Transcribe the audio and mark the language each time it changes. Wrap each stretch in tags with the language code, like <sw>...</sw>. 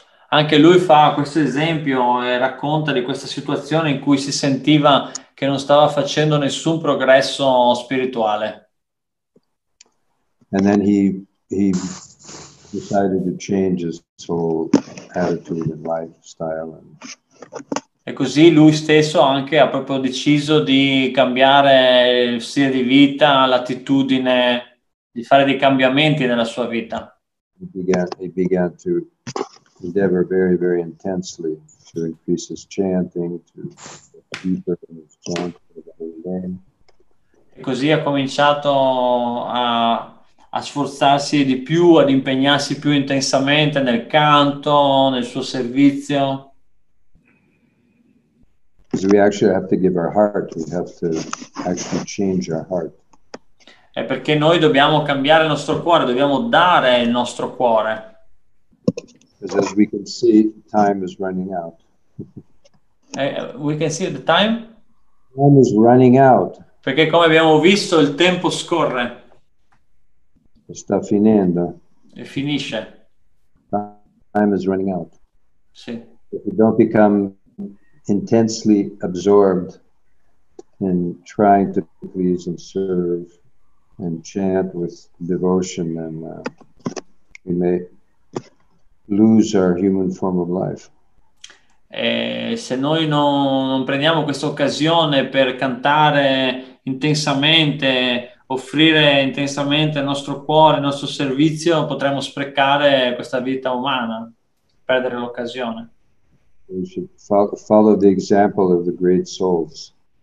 <it>Anche lui fa questo esempio e racconta di questa situazione in cui si sentiva che non stava facendo nessun progresso spirituale.</it> <en>And then he decided to change his whole attitude and lifestyle.</en> <it>E così lui stesso anche ha proprio deciso di cambiare il stile di vita, l'attitudine, di fare dei cambiamenti nella sua vita.</it> <en>He began to endeavor very, very intensely to increase his chanting, to get deeper in his chanting.</en> <it>E così ha cominciato a sforzarsi di più, ad impegnarsi più intensamente nel canto, nel suo servizio.</it> <en>Because we actually have to give our heart, we have to actually change our heart.</en> <it>È perché noi dobbiamo cambiare il nostro cuore, dobbiamo dare il nostro cuore.</it> <en>Because as we can see, time is running out. We can see the time? Time is running out.</en> <it>Perché come abbiamo visto, il tempo scorre. Sta finendo. E finisce.</it> <en>Time is running out.</en> <it>Sì.</it> <en>If you don't become intensely absorbed in trying to please and serve and chant with devotion, and we may lose our human form of life.</en> <it>E se noi non prendiamo questa occasione per cantare intensamente, offrire intensamente il nostro cuore, il nostro servizio, potremmo sprecare questa vita umana, perdere l'occasione.</it> <en>We should follow the example of the great souls.</en>